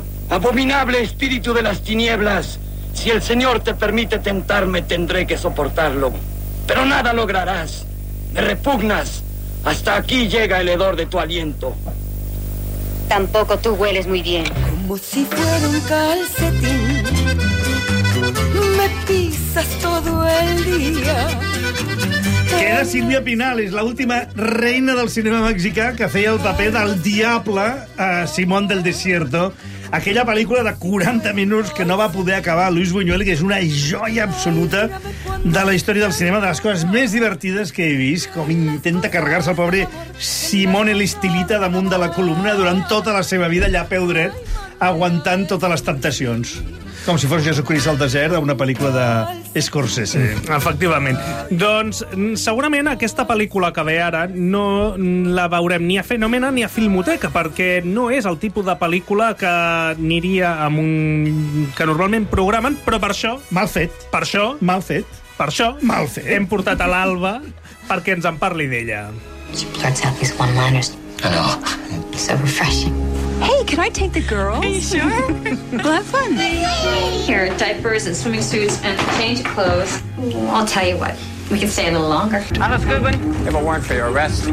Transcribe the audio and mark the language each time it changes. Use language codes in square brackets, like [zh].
[es] Abominable espíritu de las tinieblas. Si el Señor te permite tentarme, tendré que soportarlo. Pero nada lograrás. Me repugnas. Hasta aquí llega el hedor de tu aliento. Tampoco tú hueles muy bien. Como si fuera un calcetín. Me pisas todo el día. [ca] Queda Sílvia Pinal, és l'última reina del cinema mexicà que feia el paper del diable a Simón del Desierto. Aquella pel·lícula de 40 minuts que no va poder acabar Luis Buñuel, que és una joia absoluta de la història del cinema, de les coses més divertides que he vist, com intenta carregar-se el pobre Simón el Estilita damunt de la columna durant tota la seva vida allà a peu dret, aguantant totes les temptacions. Com si fos Jesucrist al desert d'una pel·lícula de Scorsese. Sí, efectivament. Doncs segurament aquesta pel·lícula que ve ara no la veurem ni a Fenomena ni a Filmoteca, perquè no és el tipus de pel·lícula que aniria amb un... que normalment programen, però per això... Mal fet. Per això... Mal fet. Per això... Mal fet. Hem portat a l'Alba perquè ens en parli d'ella. [en] She blurts out these one-liners. I know. It's so refreshing. Hey, can I take the girls? Are you sure? We'll have fun. Here, diapers and swimming suits and a change of clothes. I'll tell you what, we can stay a little longer. Alice Goodwin, have a warrant for your arrest.